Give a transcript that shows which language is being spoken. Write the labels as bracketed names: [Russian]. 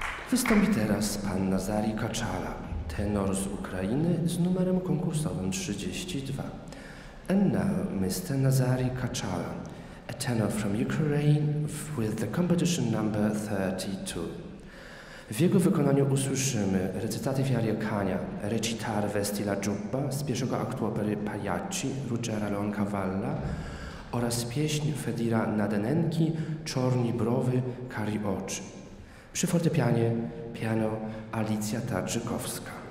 [Polish] Wystąpi teraz pan Nazarii Kaczala, tenor z Ukrainy z numerem konkursowym 32. [English] And now Mr. Nazarii Kaczala, a tenor from Ukraine with the competition number 32. [Polish] W jego wykonaniu usłyszymy recytaty Fiarie Kania, recitar Vestila Giubba z pierwszego aktu opery Pajacci Ruggera Leoncavalla oraz pieśń Fedira Nadenenki Czorni Browy, Kari Oczy. Przy fortepianie piano Alicja Tadżykowska.